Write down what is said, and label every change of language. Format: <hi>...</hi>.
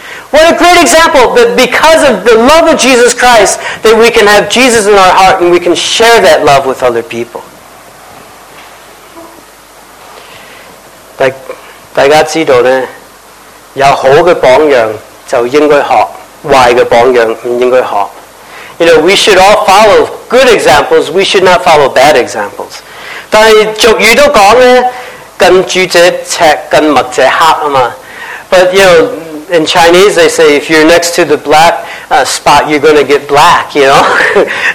<en>What a great example, that because of the love of Jesus Christ, that we can have Jesus in our heart and we can share that love with other people.</en> <zh>大家知道呢,有好的榜樣就應該學,壞的榜樣不應該學.</zh> <en>You know, we should all follow good examples, we should not follow bad examples.</en> <zh>但是俗語都說呢,跟著者赤,跟墨者黑嘛.</zh> <en>But you know, in Chinese they say, if you're next to the black spot, you're going to get black, you know.</en>